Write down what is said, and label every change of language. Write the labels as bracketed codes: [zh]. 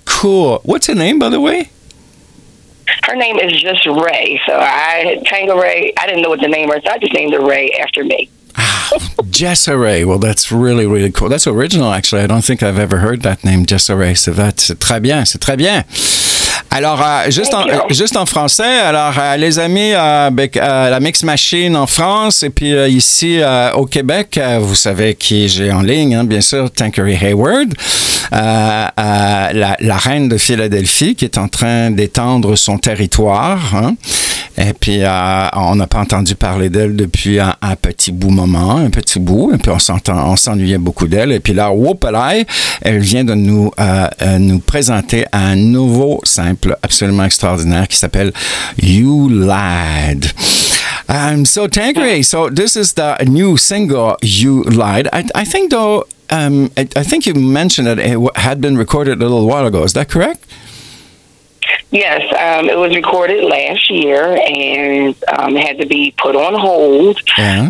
[en] Cool. What's her name, by the way? Her name is just Ray, so Tanqueray, I didn't know what the name was, so I just named her Ray after me. Jessa Ray, well, that's really, really cool. That's original, actually. I don't think I've ever heard that name, Jessa Ray. So that's [fr] très bien, c'est très bien. Alors, juste en français, alors, les amis, la Mix Machine en France, et puis ici au Québec, vous savez qui j'ai en ligne, hein, bien sûr, Tanqueray Hayward, la reine de Philadelphie qui est en train d'étendre son territoire, hein, et puis on n'a pas entendu parler d'elle depuis un petit bout, et puis on s'ennuyait beaucoup d'elle, et puis là, whoop-a-lay, elle vient de nous présenter un nouveau simple absolument extraordinaire qui s'appelle You Lied. [en] So Tanqueray, so this is the new single You Lied. I think you mentioned that it had been recorded a little while ago, is that correct? Yes, it was recorded last year and had to be put on hold. Yeah.